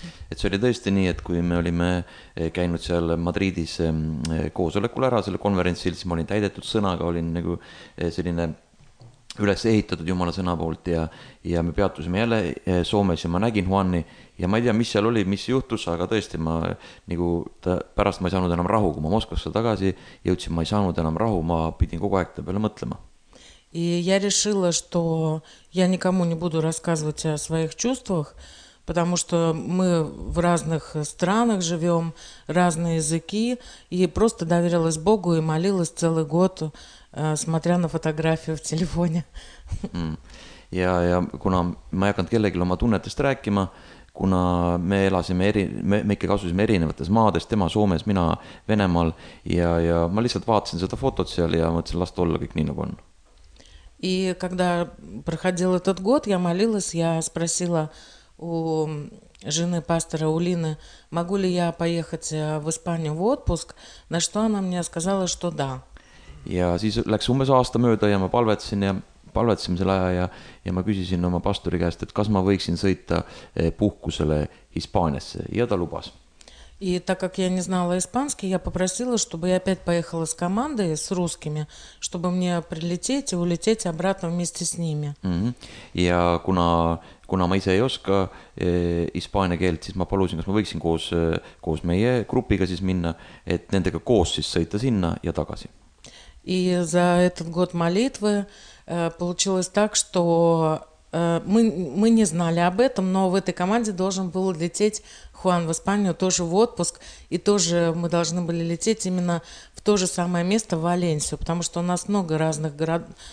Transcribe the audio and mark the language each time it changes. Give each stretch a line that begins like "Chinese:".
Estonian: Et see oli tõesti nii, et kui me olime käinud seal Madridis koosolekul ära, selle konverentsil, siis ma olin täidetud sõnaga, olin nagu selline üles ehitatud Jumala sõna poolt ja, ja me peatusime jälle Soomes ja ma nägin Juani ja ma ei tea, mis seal oli, mis juhtus, aga tõesti ma nagu, pärast ma ei saanud enam rahu, kui ma Moskvasse tagasi jõudsin, ma ei saanud enam rahu, ma pidin kogu aeg ta peale mõtlema.
Russian: И я решила, что я никому не буду рассказывать о своих чувствах, потому что мы в разных странах живем, разные языки, и просто доверилась Богу и молилась целый год, смотря на фотографию в телефоне.
Estonian: Ja, ja kuna ma ei hakkanud kellegi oma tunnetest rääkima, kuna me elasime me ikka kasusime erinevates maades, tema Soomes, mina Venemaal, ja, ja ma lihtsalt vaatasin seda fotot seal ja mõtlesin, last olla kõik nii nagu on.
Russian: И когда проходил этот год, я молилась, я спросила у жены пастора Улины, могу ли я поехать в Испанию в отпуск, на что она мне сказала, что да.
Estonian: Ja siis läks umbes aasta mööda ja ma palvetsin ja palvetsin selle aja ja, ja ma küsisin oma pastori käest, et kas ma võiksin sõita puhkusele Hispaaniasse ja ta lubas.
Russian: И так как я не знала испанский, я попросила, чтобы я опять поехала с командой, с русскими, чтобы мне прилететь и улететь обратно вместе с ними. Mm-hmm.
Estonian: Ja kuna ma ise ei oska hispaania keelt, siis ma palusin, kas ma võiksin koos meie grupiga siis minna, et nendega koos siis sõita sinna ja tagasi.
Russian: И за этот год молитвы получилось так, что мы не знали об этом, но в этой команде должен был лететь Хуан в Испанию тоже в отпуск, и тоже мы должны были лететь именно в то же самое место, в Валенсию, потому что у нас много разных городов.